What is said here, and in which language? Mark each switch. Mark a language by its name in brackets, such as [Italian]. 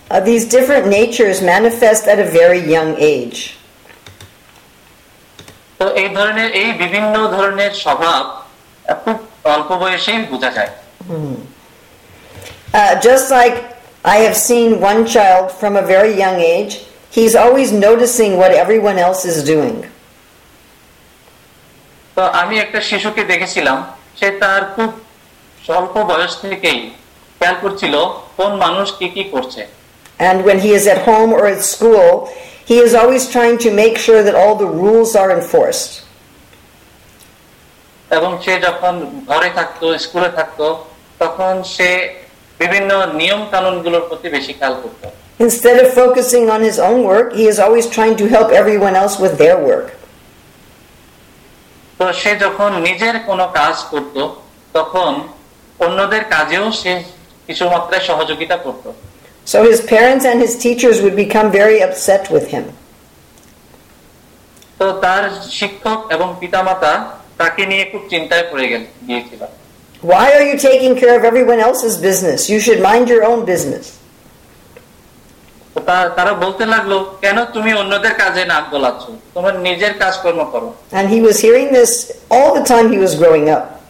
[English] These different natures manifest at a very young age. [Bangla] তো এই ধরনের এই বিভিন্ন ধরনের স্বভাব খুব অল্প বয়সেই বোঝা যায়। [English] Just like I have seen one child from a very young age, he's always noticing what everyone else is doing. [Bangla] তো আমি একটা শিশুকে দেখেছিলাম, সে তার খুব অল্প বয়স থেকেই খেয়াল করছিল কোন মানুষ কি কি করছে। [English] And when he is at home or at school, he is always trying to make sure that all the rules are enforced. [Bangla] এবং সে যখন ঘরে থাকতো, স্কুলে থাকতো, তখন সে বিভিন্ন নিয়ম কানুনগুলোর প্রতি বেশি খেয়াল করত। [English] Instead of focusing on his own work, he is always trying to help everyone else with their work. [Bangla] তো সে যখন নিজের কোনো কাজ করত, তখন অন্যদের কাজেও সে কিছু মাত্রায় সহযোগিতা করত। [English] So his parents and his teachers would become very upset with him. [Bangla] তো তার শিক্ষক এবং পিতামাতা তাকে নিয়ে খুব চিন্তায় পড়ে গিয়েছিল। [English] Why are you taking care of everyone else's business? You should mind your own business. [Bangla] তারা বলতে লাগলো, কেন তুমি অন্যদের কাজে নাক গলাচ্ছো? তোমার নিজের কাজকর্ম করো। [English] And he was hearing this all the time he was growing up.